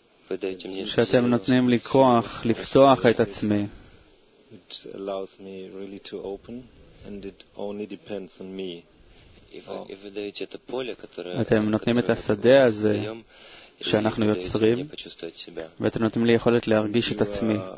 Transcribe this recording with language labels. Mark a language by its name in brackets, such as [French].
[English] with me [Hebrew] שאתם נותנים לי כוח לפתוח את עצמי. [English] It allows me really to open and it only depends on me. If you [Russian] дайте это поле, которое [Hebrew] אתם נותנים את השדה הזה שאנחנו יוצרים, ואתם נותנים לי יכולת להרגיש את עצמי.